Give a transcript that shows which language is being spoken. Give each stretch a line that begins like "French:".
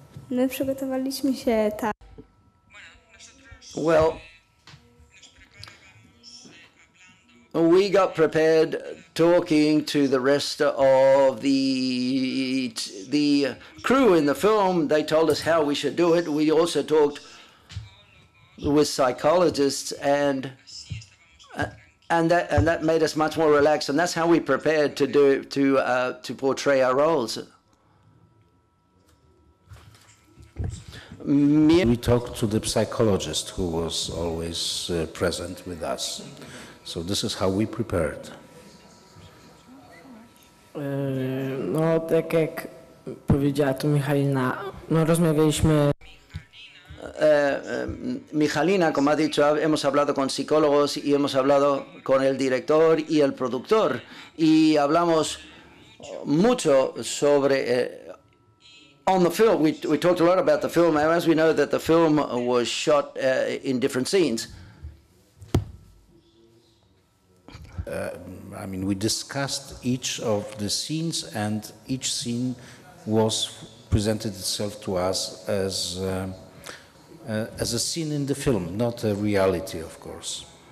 Polish: My przygotowaliśmy się tak.
English: Well, we got prepared talking to the rest of the crew in the film. They told us how we should do it. We also talked with psychologists, and that made us much more relaxed. And that's how we prepared to portray our roles. We talked to the psychologist who was always present with us. So this is how we prepared.
Polish: No, tak jak powiedziała tu Michalina, no rozmawialiśmy.
Spanish: Michalina, como ha dicho, hemos hablado con psicólogos y hemos hablado con el director y el productor y hablamos mucho sobre.
English: On the film, we talked a lot about the film, and as we know that the film was shot in different scenes. I mean, we discussed each of the scenes, and each scene was presented itself to us as a scene in the film, not a reality, of course.